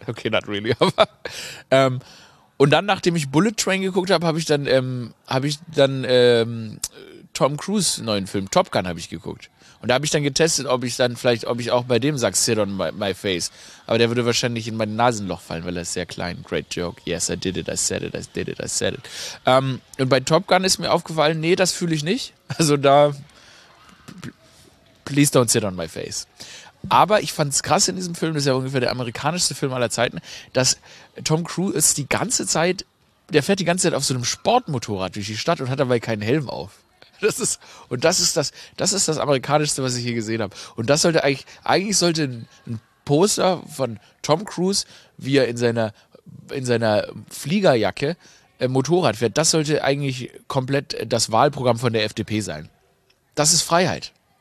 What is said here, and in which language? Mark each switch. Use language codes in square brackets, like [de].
[en] Okay, not really, [de] aber. Und dann, nachdem ich Bullet Train geguckt habe, habe ich dann Tom Cruise neuen Film, Top Gun, habe ich geguckt. Und da habe ich dann getestet, ob ich auch bei dem sage, [en] sit on my face. [de] Aber der würde wahrscheinlich in mein Nasenloch fallen, weil er ist sehr klein. [en] Great joke. Yes, I did it, I said it, I did it, I said it. [de] Und bei Top Gun ist mir aufgefallen, nee, das fühle ich nicht. Also da, [en] please don't sit on my face. [de] Aber ich fand es krass in diesem Film, das ist ja ungefähr der amerikanischste Film aller Zeiten, dass Tom Cruise ist die ganze Zeit, der fährt die ganze Zeit auf so einem Sportmotorrad durch die Stadt und hat dabei keinen Helm auf. Das ist das Amerikanischste, was ich hier gesehen habe. Und das sollte eigentlich sollte ein Poster von Tom Cruise, wie er in seiner Fliegerjacke Motorrad fährt, das sollte eigentlich komplett das Wahlprogramm von der FDP sein. Das ist Freiheit.